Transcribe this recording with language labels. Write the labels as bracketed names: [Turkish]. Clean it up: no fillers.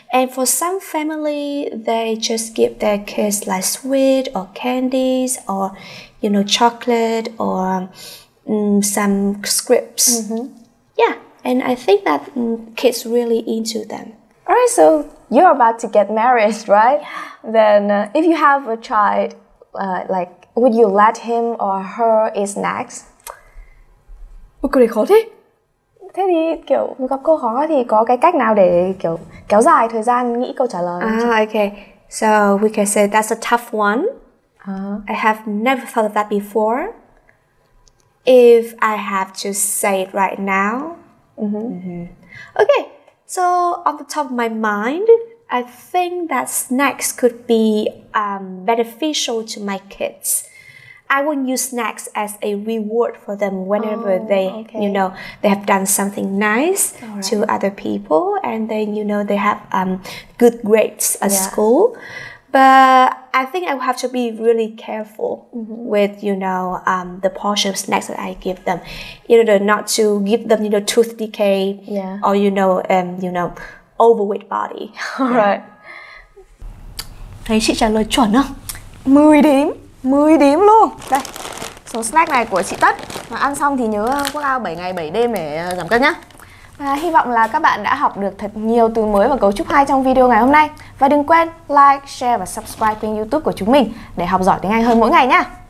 [English] And for some family, they just give their kids like sweet or candies or, you know, chocolate or some scripts. Mm-hmm. Yeah, and I think that kids really into them. All right, so you're about to get married, right? Yeah. Then if you have a child, like, would you let him or her eat snacks? [Vietnamese] Một câu này khó thế. Thế thì kiểu gặp câu khó thì có cái cách nào để kiểu kéo dài thời gian nghĩ câu trả lời. [English] Okay. So we can say that's a tough one. I have never thought of that before. If I have to say it right now. Okay. So on the top of my mind, I think that snacks could be beneficial to my kids. I won't use snacks as a reward for them whenever you know, they have done something nice to other people and then, you know, they have good grades at school. But I think I will have to be really careful with, you know, the portion of snacks that I give them. You know, not to give them, you know, tooth decay or, you know, overweight body. All right. [Vietnamese] Thấy chị trả lời chuẩn không? 10 điểm luôn. Đây, số snack này của chị Tất. Mà ăn xong thì nhớ quốc ao 7 ngày 7 đêm để giảm cân nhá. Và hy vọng là các bạn đã học được thật nhiều từ mới và cấu trúc hay trong video ngày hôm nay. Và đừng quên like, share và subscribe kênh YouTube của chúng mình để học giỏi tiếng Anh hơn mỗi ngày nhá.